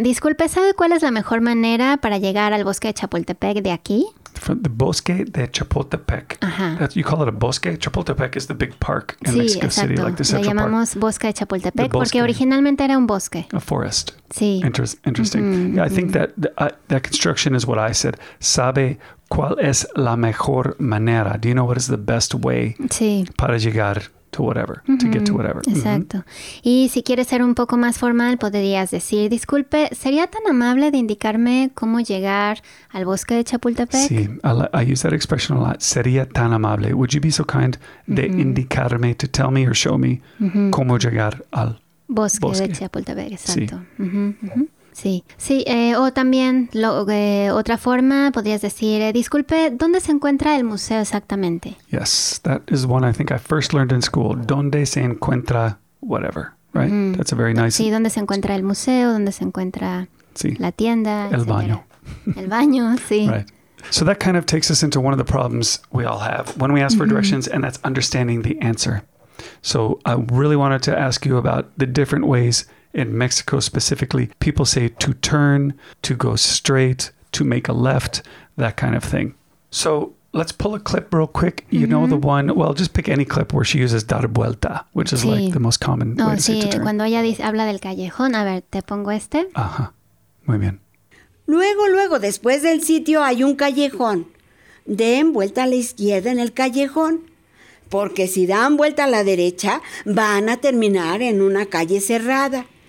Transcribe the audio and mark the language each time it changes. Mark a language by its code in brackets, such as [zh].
[es] Disculpe, ¿sabe cuál es la mejor manera para llegar al Bosque de Chapultepec de aquí? [en] From the Bosque de Chapultepec. [es] Ajá. [en] That's, you call it a bosque? Chapultepec is the big park in Mexico City, like the Central Park. [es] Sí, exacto. Lo llamamos Bosque de Chapultepec porque originalmente era un bosque. [en] A forest. [es] Sí. [en] Interesting. Mm-hmm. Yeah, I think that construction is what I said. [es] ¿Sabe cuál es la mejor manera? [en] Do you know what is the best way [es] para llegar [en] to whatever, to get to whatever. [es] Exacto. Y si quieres ser un poco más formal, podrías decir, disculpe, ¿sería tan amable de indicarme cómo llegar al Bosque de Chapultepec? [en] Sí, I use that expression a lot. [es] ¿Sería tan amable? [en] Would you be so kind [es] de indicarme, [en] to tell me or show me [es] cómo llegar al Bosque de Chapultepec? Exacto. Sí. Sí, sí, o también otra forma, podrías decir, disculpe, ¿dónde se encuentra el museo exactamente? [en] Yes, that is one I think I first learned in school. [es] ¿Dónde se encuentra [en] whatever? Right? Mm-hmm. That's a very nice... [es] Sí, ¿dónde se encuentra el museo? ¿Dónde se encuentra la tienda? El baño. El baño, sí. [en] Right. So that kind of takes us into one of the problems we all have when we ask for directions, and that's understanding the answer. So I really wanted to ask you about the different ways... In Mexico specifically, people say to turn, to go straight, to make a left, that kind of thing. So let's pull a clip real quick. You know the one, well, just pick any clip where she uses dar vuelta, which is like the most common way to say to turn. [es] Cuando ella habla del callejón, a ver, te pongo este. Ajá, muy bien. Luego, después del sitio hay un callejón. Den vuelta a la izquierda en el callejón. Porque si dan vuelta a la derecha, van a terminar en una calle cerrada.